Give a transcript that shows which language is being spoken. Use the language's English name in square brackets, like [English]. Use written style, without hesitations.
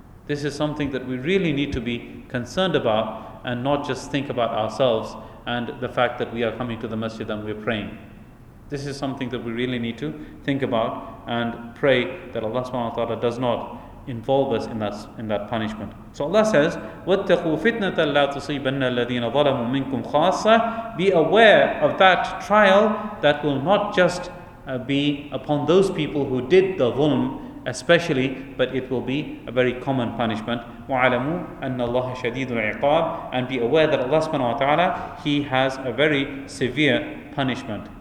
[English] This is something that we really need to be concerned about, and not just think about ourselves and the fact that we are coming to the masjid and we are praying. This is something that we really need to think about and pray that Allah subhanahu wa ta'ala does not involve us in that punishment. So Allah says, [Arabic] وَاتَّقُوا فِتْنَةً لَا تُصِيبَنَّ الَّذِينَ ظَلَمُوا مِنْكُمْ خَاصَّةً. [English] Be aware of that trial that will not just be upon those people who did the dhulm especially, but it will be a very common punishment. [Arabic] وَعَلَمُوا أَنَّ اللَّهَ شَدِيدُ الْعِقَابِ. [English] And be aware that Allah subhanahu wa ta'ala, He has a very severe punishment.